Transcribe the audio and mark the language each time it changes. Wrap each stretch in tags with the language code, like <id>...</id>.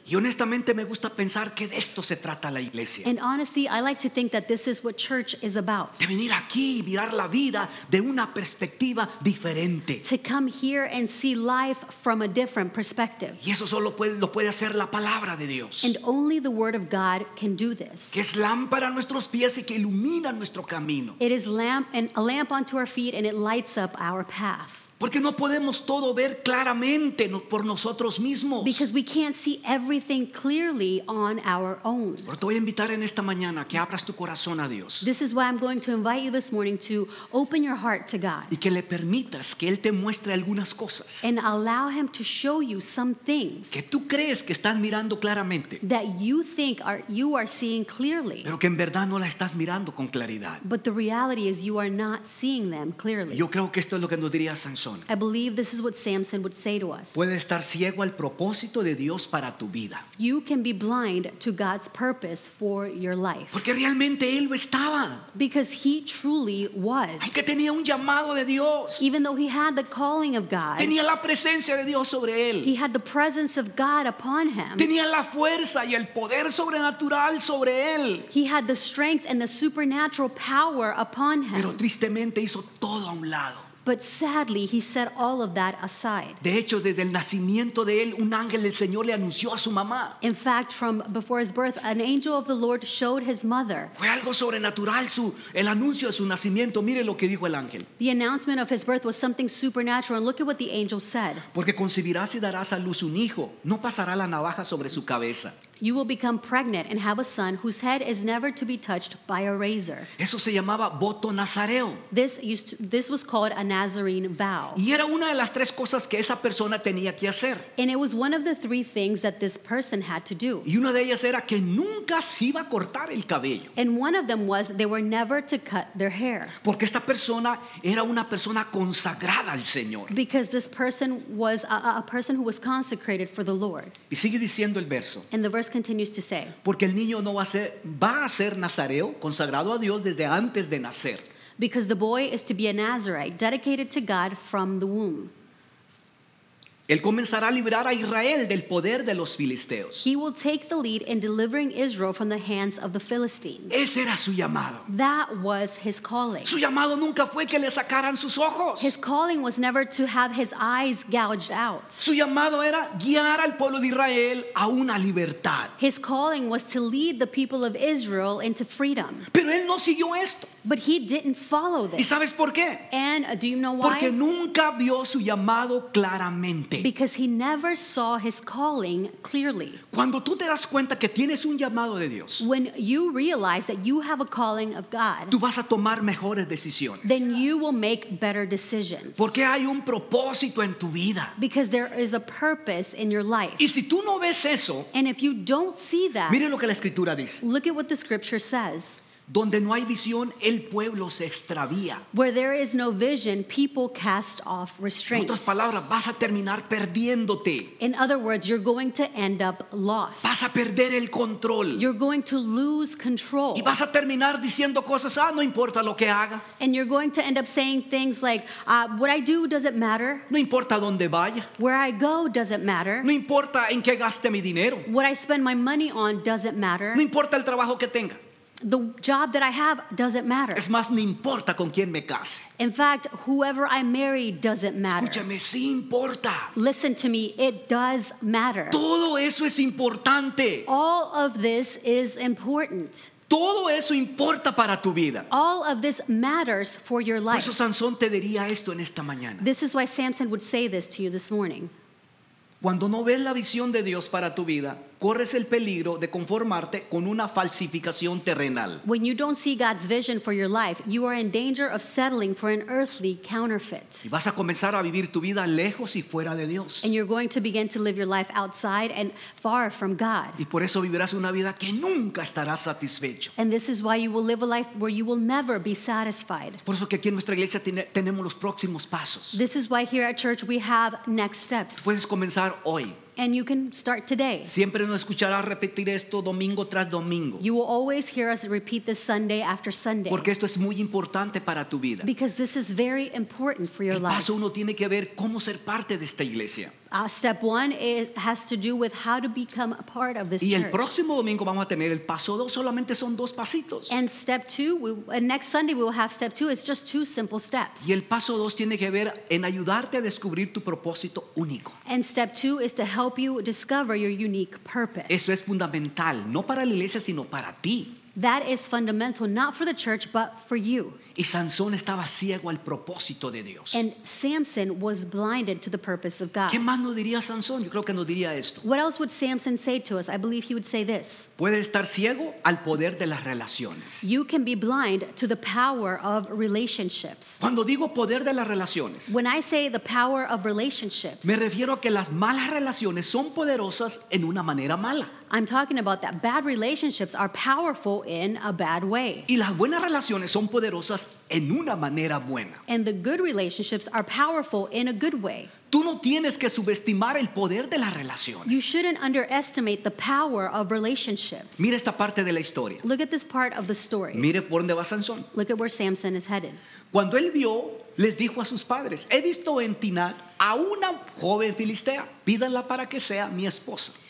<es>Y honestamente me gusta pensar que de esto se trata la iglesia.</es> <en>And honestly, I like to think that this is what church is about.</en> <es>De venir aquí y mirar la vida de una perspectiva diferente.</es> <en>To come here and see life from a different perspective.</en> <es>Y eso solo lo puede hacer la palabra de Dios.</es> <en>And only the word of God can do this.</en> <es>Que es lámpara a nuestros pies y que ilumina nuestro camino.</es> <en>It is lamp and a lamp onto our feet and it lights up our path.</en> <es>Porque no podemos todo ver claramente por nosotros mismos.</es> <en>Because we can't see everything clearly on our own.</en> <es>Pero te voy a invitar en esta mañana que abras tu corazón a Dios.</es> <en>This is why I'm going to invite you this morning to open your heart to God.</en> <es>Y que le permitas que Él te muestre algunas cosas.</es> <en>And allow Him to show you some things.</en> <es>Que tú crees que estás mirando claramente.</es> <en>That you think you are seeing clearly.</en> <es>Pero que en verdad no la estás mirando con claridad.</es> <en>But the reality is you are not seeing them clearly.</en> <es>Yo creo que esto es lo que nos diría San.</es> <en>I believe this is what Samson would say to us.</en> <es>Puede estar ciego al propósito de Dios para tu vida.</es> <en>You can be blind to God's purpose for your life.</en> <es>Porque realmente él lo estaba.</es> <en>Because he truly was.</en> <es>Aunque tenía un llamado de Dios.</es> <en>Even though he had the calling of God.</en> <es>Tenía la presencia de Dios sobre él.</es> <en>He had the presence of God upon him.</en> <es>Tenía la fuerza y el poder sobrenatural sobre él.</es> <en>He had the strength and the supernatural power upon him.</en> <es>Pero tristemente hizo todo a un lado.</es> <en>But sadly, he set all of that aside.</en> <es>De hecho, desde el nacimiento de él, un ángel del Señor le anunció a su mamá.</es> <en>In fact, from before his birth, an angel of the Lord showed his mother.</en> <es>Fue algo sobrenatural el anuncio de su nacimiento. Mire lo que dijo el ángel.</es> <en>The announcement of his birth was something supernatural. And look at what the angel said.</en> <es>Porque concebirás y darás a luz un hijo. No pasará la navaja sobre su cabeza.</es> <en>You will become pregnant and have a son whose head is never to be touched by a razor.</en> <es>Eso se llamaba voto nazareo.</es> <en>This was called a Nazarene vow.</en> <es>Y era una de las tres cosas que esa persona tenía que hacer.</es> <en>And it was one of the three things that this person had to do.</en> <es>Y una de ellas era que nunca se iba a cortar el cabello.</es> <en>And one of them was they were never to cut their hair.</en> <es>Porque esta persona era una persona consagrada al Señor.</es> <en>Because this person was a person who was consecrated for the Lord.</en> <es>Y sigue diciendo el verso.</es> <en>And the verse continues to say.</en> <es>Porque el niño no va a ser nazareo, consagrado a Dios desde antes de nacer.</es> <en>Because the boy is to be a Nazarite, dedicated to God from the womb.</en> <es>Él comenzará a librar a Israel del poder de los filisteos.</es> <en>He will take the lead in delivering Israel from the hands of the Philistines.</en> <es>Ese era su llamado.</es> <en>That was his calling.</en> <es>Su llamado nunca fue que le sacaran sus ojos.</es> <en>His calling was never to have his eyes gouged out.</en> <es>Su llamado era guiar al pueblo de Israel a una libertad.</es> <en>His calling was to lead the people of Israel into freedom.</en> <es>Pero él no siguió esto.</es> <en>But he didn't follow this.</en> <es>¿Y sabes por qué?</es> <en>And do you know why?</en> <es>Porque nunca vio su llamado claramente. claramente.</es> <en>Because he never saw his calling clearly.</en> <es>Cuando tú te das cuenta que tienes un llamado de Dios,</es> <en>when you realize that you have a calling of God,</en> <es>tú vas a tomar mejores decisiones.</es> <en>Then you will make better decisions.</en> <es>Porque hay un propósito en tu vida.</es> <en>Because there is a purpose in your life.</en> <es>Y si tú no ves eso,</es> <en>and if you don't see that,</en> <es>mire lo que la escritura dice.</es> <en>Look at what the scripture says.</en> <es>Donde no hay visión, el pueblo se extravía.</es> <en>Where there is no vision, people cast off restraint.</en> <es>En otras palabras, vas a terminar perdiéndote.</es> <en>In other words, you're going to end up lost.</en> <es>Vas a perder el control.</es> <en>You're going to lose control.</en> <es>Y vas a terminar diciendo cosas, ah, no importa lo que haga.</es> <en>And you're going to end up saying things like, what I do doesn't matter.</en> <es>No importa dónde vaya.</es> <en>Where I go doesn't matter.</en> <es>No importa en qué gaste mi dinero.</es> <en>What I spend my money on doesn't matter.</en> <es>No importa el trabajo que tenga.</es> <en>The job that I have doesn't matter.</en> <es>Es más, no importa con quién me case.</es> <en>In fact, whoever I marry doesn't matter.</en> <es>Escúchame, sí importa.</es> <en>Listen to me, it does matter.</en> <es>Todo eso es importante.</es> <en>All of this is important.</en> <es>Todo eso importa para tu vida.</es> <en>All of this matters for your life.</en> <es>Por eso Sansón te diría esto en esta mañana.</es> <en>This is why Samson would say this to you this morning.</en> <es>Cuando no ves la visión de Dios para tu vida, corres el peligro de conformarte con una falsificación terrenal.</es> <en>When you don't see God's vision for your life, you are in danger of settling for an earthly counterfeit.</en> <es>Y vas a comenzar a vivir tu vida lejos y fuera de Dios.</es> <en>And you're going to begin to live your life outside and far from God.</en> <es>Y por eso vivirás una vida que nunca estarás satisfecho.</es> <en>And this is why you will live a life where you will never be satisfied.</en> <es>Por eso que aquí en nuestra iglesia tenemos los próximos pasos.</es> <en>This is why here at church we have next steps.</en> <es>Puedes comenzar hoy.</es> <en>And you can start today.</en> <es>Siempre nos escucharás repetir esto domingo tras domingo.</es> <en>You will always hear us repeat this Sunday after Sunday.</en> <es>Porque esto es muy importante para tu vida.</es> <en>Because this is very important for your life.</en> <es>El paso uno tiene que ver cómo ser parte de esta iglesia.</es> <en>Step one, it has to do with how to become a part of this church.</en> <es>Y el próximo domingo vamos a tener el paso dos, solamente son dos pasitos.</es> <en>And step two, next Sunday we will have step two, it's just two simple steps.</en> <es>Y el paso dos tiene que ver en ayudarte a descubrir tu propósito único.</es> <en>And step two is to help you discover your unique purpose.</en> <es>Eso es fundamental, no para la iglesia, sino para ti.</es> <en>That is fundamental, not for the church, but for you.</en> <es>Y Sansón estaba ciego al propósito de Dios.</es> <en>And Samson was blinded to the purpose of God.</en> <es>¿Qué más nos diría Sansón? Yo creo que nos diría esto.</es> <en>What else would Samson say to us? I believe he would say this.</en> <es>Puede estar ciego al poder de las relaciones.</es> <en>You can be blind to the power of relationships.</en> <es>Cuando digo poder de las relaciones,</es> <en>when I say the power of relationships,</en> <es>me refiero a que las malas relaciones son poderosas en una manera mala.</es> <en>I'm talking about that bad relationships are powerful in a bad way.</en> <es>Y las buenas relaciones son poderosas en una manera buena.</es> <en>And the good relationships are powerful in a good way.</en> <es>Tú no tienes que subestimar el poder de las relaciones.</es> <en>You shouldn't underestimate the power of relationships.</en> <es>Mira esta parte de la historia.</es> <en>Look at this part of the story.</en> <es>Mire por dónde va Sansón.</es> <en>Look at where Samson is headed.</en> <es>Cuando él vio, les dijo a sus padres, he visto en Tinal a una joven filistea, pídanla para que sea mi esposa.</es>